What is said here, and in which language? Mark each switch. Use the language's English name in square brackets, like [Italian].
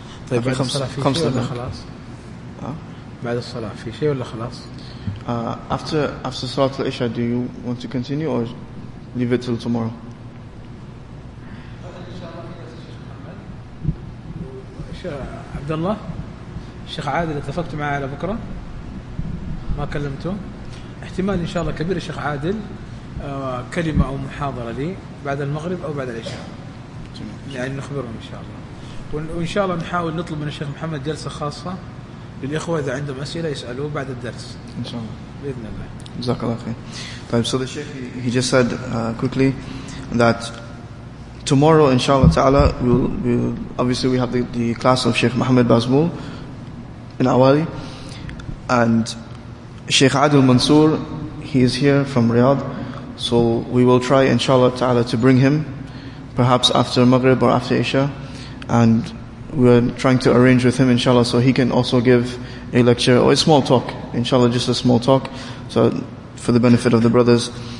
[Arabic] طيب بعد خمس الصلاة في شيء ولا خلاص؟ بعد الصلاة في شيء ولا خلاص؟ [English] After صلاة العشاء, do you want to continue or leave it till tomorrow? [Arabic] شيخ عبد الله, الشيخ عادل اتفقت معه على بكرة ما كلمته, احتمال إن شاء الله كبير الشيخ عادل كلمة أو محاضرة لي بعد المغرب أو بعد العشاء, يعني نخبرهم إن شاء الله, وإن شاء الله نحاول نطلب من الشيخ محمد جلسة خاصة للإخوة إذا عندهم أسئلة يسألوه بعد الدرس إن شاء الله بإذن الله. جزاك الله خير. [English] طيب, so the Sheikh, he just said quickly that tomorrow inshallah ta'ala we'll obviously we have the class of Sheikh Muhammad Bazmul in Awali, and Sheikh Adil Mansour, he is here from Riyadh, so we will try inshallah ta'ala to bring him perhaps after Maghrib or after Isha, and we're trying to arrange with him inshallah so he can also give a lecture or a small talk inshallah, just a small talk, so for the benefit of the brothers.